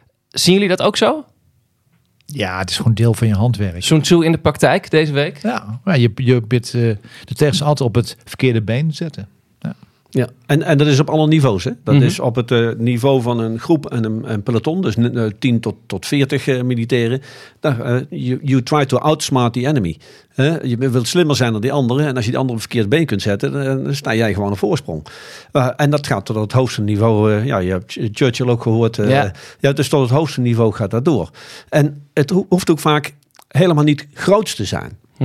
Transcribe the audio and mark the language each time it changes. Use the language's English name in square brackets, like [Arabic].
[Dutch] Zien jullie dat ook zo? Ja, het is gewoon deel van je handwerk. Sun Tzu in de praktijk deze week? Ja, je bidt de tegenstander altijd op het verkeerde been zetten. Ja, ja. En dat is op alle niveaus. Hè? Dat mm-hmm. is op het niveau van een groep en een peloton. Dus 10 tot 40 militairen. [English] You try to outsmart the enemy. [Dutch] Je wilt slimmer zijn dan die anderen. En als je die anderen op het verkeerde been kunt zetten, dan sta jij gewoon een voorsprong. En dat gaat tot het hoogste niveau. Ja, je hebt Churchill ook gehoord. Ja, dus tot het hoogste niveau gaat dat door. En het hoeft ook vaak helemaal niet groots te zijn.